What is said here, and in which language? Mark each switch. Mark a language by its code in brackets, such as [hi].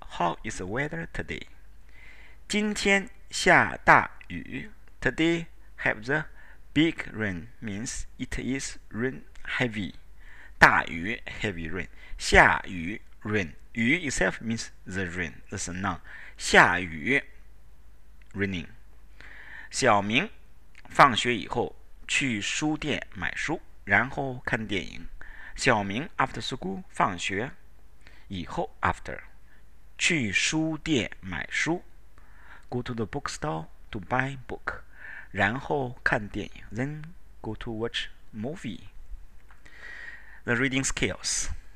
[en] How is the weather today? [zh] 今天下大雨。 [en] Today, have the big rain means it is rain heavy. 大雨 heavy rain, 下雨 rain, 雨 itself means the rain, this is noun, 下雨 raining. [zh] 小明放学以后去书店买书然后看电影。 [en] 小明 after school, [zh] 放学以后 [en] after, [zh] 去书店买书 [en] go to the bookstore to buy book, [zh] 然后看电影 [en] then go to watch movie.The reading skills.